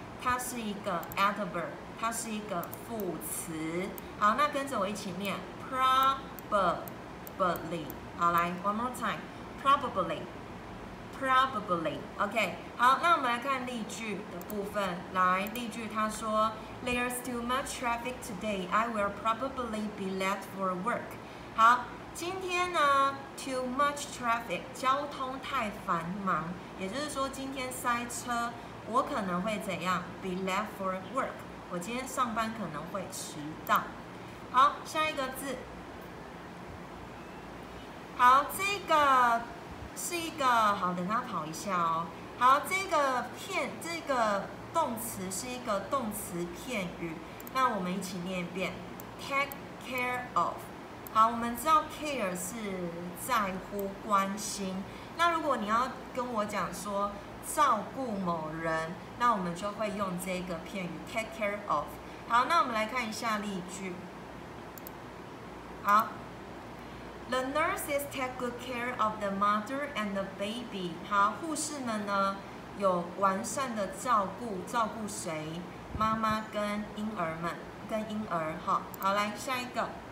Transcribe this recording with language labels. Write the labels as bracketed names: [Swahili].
[Chinese] 它是一个 adverb，它是一个副词。好，那跟着我一起念 probably。好，来 [English] one more time, probably, probably。 [Chinese] OK, 好，那我们来看例句的部分。来，例句它说 [English] There's too much traffic today, I will probably be late for work。 [Chinese] 好，今天呢 [English] too much traffic [Chinese] 交通太繁忙，也就是说今天塞车我可能会怎样 [English] be late for work， [Chinese] 我今天上班可能会迟到。好，下一个字。好，这个是一个，好，等他跑一下哦。好，这个动词是一个动词片语，那我们一起念一遍 take care of。好，我们知道 care 是在乎关心，那如果你要跟我讲说照顾某人，那我们就会用这个片语 take care of。好，那我们来看一下例句。好， [English] the nurses take good care of the mother and the baby。 [Chinese] 好，护士们呢有完善的照顾谁，妈妈跟婴儿们，跟婴儿。好，好，来下一个。